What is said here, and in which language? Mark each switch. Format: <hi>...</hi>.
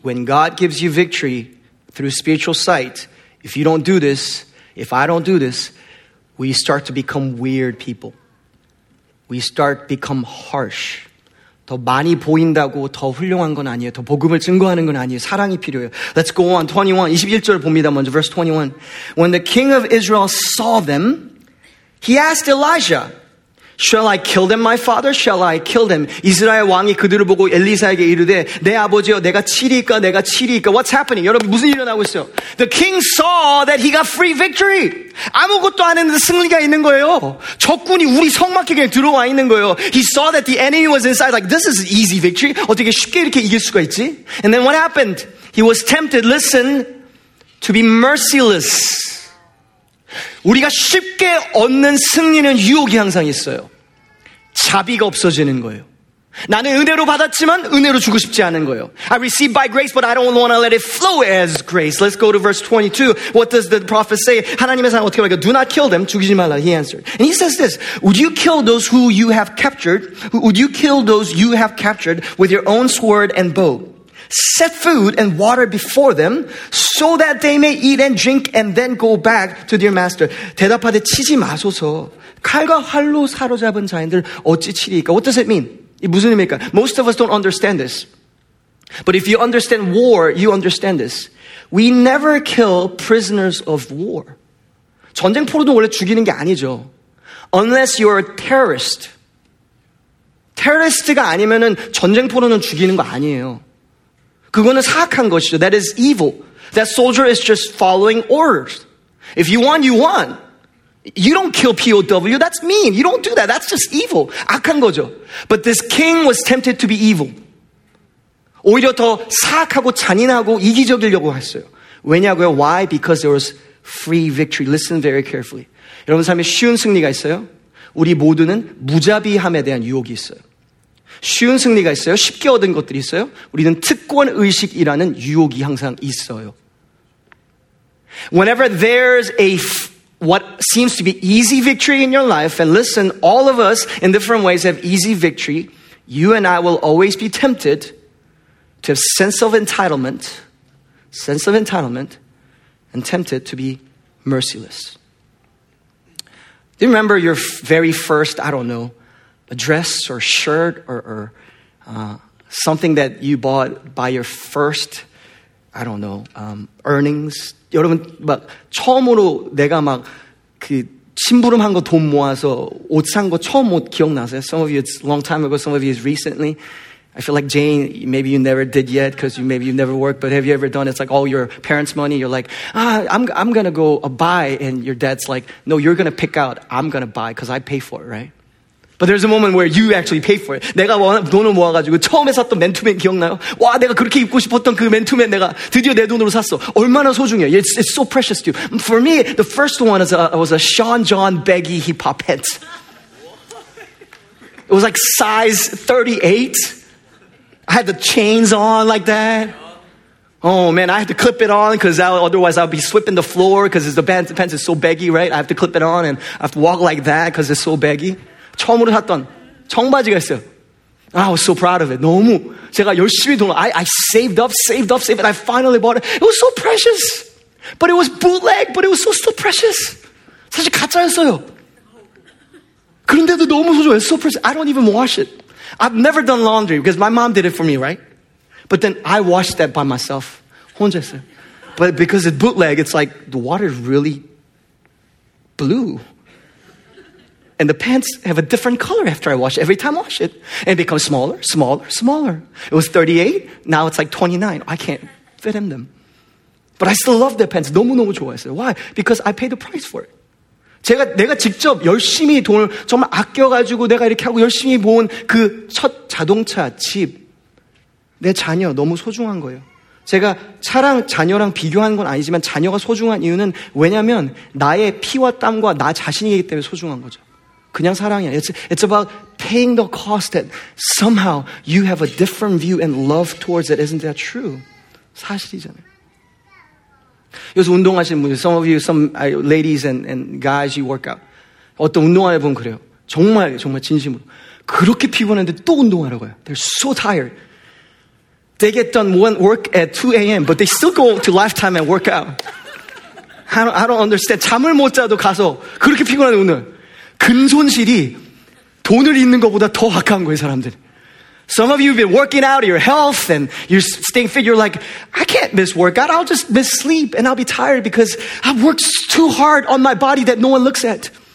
<en>When God gives you victory through spiritual sight, if you don't do this, if I don't do this, we start to become weird people. We start to become harsh.</en> <ko>더 많이 보인다고 더 훌륭한 건 아니에요. 더 복음을 증거하는 건 아니에요. 사랑이 필요해요.</ko> <en>Let's go on.</en> <ko>21절 봅니다. 먼저</ko> <en>verse 21. When the king of Israel saw them, he asked Elijah, Shall I kill them, my father? Shall I kill them?</en> <ko>이스라엘 왕이 그들을 보고 엘리사에게 이르되 내 아버지여 내가 치리까?</ko> <en>What's happening?</en> <ko>여러분 무슨 일이 일어나고 있어요?</ko> <en>The king saw that he got free victory.</en> <ko>아무것도 안 했는데 승리가 있는 거예요. 적군이 우리 성막에 들어와 있는 거예요.</ko> <en>He saw that the enemy was inside. Like, this is an easy victory.</en> <ko>어떻게 쉽게 이렇게 이길 수가 있지?</ko> <en>And then what happened? He was tempted, listen, to be merciless.</en> <ko>우리가 쉽게 얻는 승리는 유혹이 항상 있어요. 자비가 없어지는 거예요. 나는 은혜로 받았지만 은혜로 주고 싶지 않은 거예요.</ko> <en>I received by grace, but I don't want to let it flow as grace. Let's go to verse 22. What does the prophet say?</en> <ko>하나님의 사람 어떻게 말해요?</ko> <en>Do not kill them.</en> <ko>죽이지 말라.</ko> <en>He answered. And he says this. Would you kill those who you have captured? Would you kill those you have captured with your own sword and bow? Set food and water before them so that they may eat and drink and then go back to their master.</en> <ko>대답하되 치지 마소서. 칼과 활로 사로잡은 자인들 어찌 치리까?</ko> <en>What does it mean?</en> <ko>이 무슨 의미일까?</ko> <en>Most of us don't understand this. But if you understand war, you understand this. We never kill prisoners of war.</en> <ko>전쟁포로도 원래 죽이는 게 아니죠.</ko> <en>Unless you're a terrorist.</en> <ko>테러리스트가 아니면은 전쟁포로는 죽이는 거 아니에요. 그거는 사악한 것이죠.</ko> <en>That is evil. That soldier is just following orders. If you want, you want. You don't kill POW. That's mean. You don't do that. That's just evil.</en> <ko>악한 거죠.</ko> <en>But this king was tempted to be evil.</en> <ko>오히려 더 사악하고 잔인하고 이기적이려고 했어요. 왜냐고요?</ko> <en>Why? Because there was free victory. Listen very carefully.</en> <ko>여러분 삶에 쉬운 승리가 있어요. 우리 모두는 무자비함에 대한 유혹이 있어요. 쉬운 승리가 있어요. 쉽게 얻은 것들이 있어요. 우리는 특권 의식이라는 유혹이 항상 있어요.</ko> <en>Whenever there's a what seems to be easy victory in your life, and listen, all of us in different ways have easy victory, you and I will always be tempted to have sense of entitlement, and tempted to be merciless. Do you remember your very first, I don't know, a dress or shirt or something that you bought by your first, I don't know, earnings?</en> <ko>여러분, 막 처음으로 내가 막 그 심부름 한 거 돈 모아서 옷 산 거 처음 옷 기억나세요?</ko> <en>Some of you, it's a long time ago. Some of you, it's recently. I feel like Jane, maybe you never did yet because maybe you never worked, but have you ever done it? It's like all your parents' money. You're like, I'm going to go buy. And your dad's like, no, you're going to pick out. I'm going to buy because I pay for it, right? But there's a moment where you actually pay for it.</en> <ko>내가 돈을 모아가지고 처음에 샀던 맨투맨 기억나요? 와, 내가 그렇게 입고 싶었던 그 맨투맨 내가 드디어 내 돈으로 샀어. 얼마나 소중해.</ko> <en>It's so precious to you. For me, the first one was a Sean John baggy hip-hop pants. It was like size 38. I had the chains on like that. Oh man, I had to clip it on because otherwise I'd be slipping the floor because the pants is so baggy, right? I have to clip it on and I have to walk like that because it's so baggy.</en> <ko>처음으로 샀던 청바지가 있어요.</ko> <en>I was so proud of it.</en> <ko>너무 제가 열심히 돈을</ko> <en>I saved up, and I finally bought it. It was so precious. But it was bootleg, but it was so precious.</en> <ko>사실 가짜였어요. 그런데도 너무 소중해.</ko> <en>It's so precious. I don't even wash it. I've never done laundry because my mom did it for me, right? But then I washed that by myself.</en> <ko>혼자서.</ko> <en>But because it's bootleg, it's like the water is really blue. And the pants have a different color after I wash it. Every time I wash it, and it becomes smaller, smaller, smaller. It was 38, now it's like 29. I can't fit in them. But I still love the pants.</en> <ko>너무너무 좋아했어요.</ko> <en>Why? Because I paid the price for it.</en> <ko>내가 직접 열심히 돈을 정말 아껴가지고 내가 이렇게 하고 열심히 모은 그 첫 자동차, 집, 내 자녀 너무 소중한 거예요. 제가 차랑 자녀랑 비교한 건 아니지만 자녀가 소중한 이유는 왜냐면 나의 피와 땀과 나 자신이기 때문에 소중한 거죠. 그냥 사랑이야.</ko> <en>It's about paying the cost that somehow you have a different view and love towards it. Isn't that true?</en> <ko>사실이잖아요. 여기서 운동하시는 분들,</ko> <en>some of you, some ladies and guys, you work out.</en> <ko>어떤 운동하는 분 그래요. 정말, 정말 진심으로. 그렇게 피곤한데 또 운동하라고 해요.</ko> <en>They're so tired. They get done one work at 2 a.m., but they still go to Lifetime and work out. I don't understand.</en> <ko>잠을 못 자도 가서 그렇게 피곤한데 오늘. 근손실이 돈을 잃는 것보다 더 아까운 거예요, 사람들.</ko> <en>Some of you have been working out, your health, and you're staying fit. You're like, I can't miss workout. I'll just miss sleep, and I'll be tired because I've worked too hard on my body that no one looks at.</en>